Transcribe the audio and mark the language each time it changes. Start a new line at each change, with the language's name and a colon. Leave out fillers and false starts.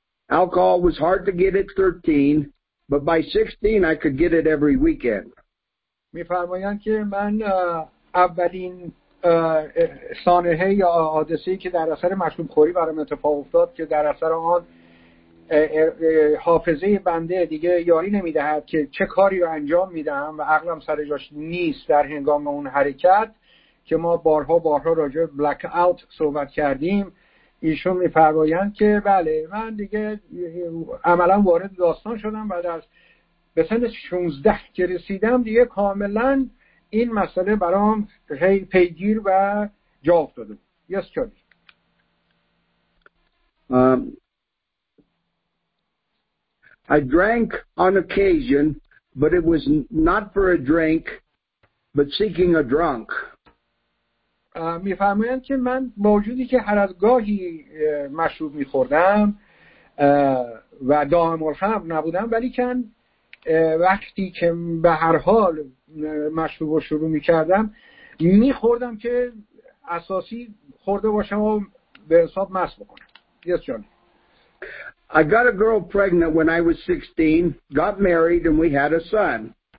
English: Alcohol was hard to get at 13, but by 16 I could get it every weekend.
Persian: می فرمایند که من اولین سانحه یا حادثه‌ای که در اثر مشروب خوری برام اتفاق افتاد که در اثر آن حافظه بنده دیگه یاری نمیدهد که چه کاری رو انجام میدم و عقلم سر جاش نیست در هنگام اون حرکت که ما بارها راجع به بلک اوت صحبت کردیم، ایشون میفرمایند که بله من دیگه عملا وارد داستان شدم و در به سن 16 که رسیدم دیگه کاملا این مسئله برام پیگیر و جا افتاده.
English: Yes چاری. I drank on occasion, but it was not for a drink, but seeking a drunk.
Persian: می فهمیدم که من با وجودی که هر از گاهی مشروب می خوردم و دائم الخمر نبودم، ولی کن وقتی که به هر حال مشروب رو شروع می کردم می خوردم که اساسی خورده باشم و به حساب مست بکنم.
English: Yes جان. I got a girl pregnant when I was 16, got married, and we had a son.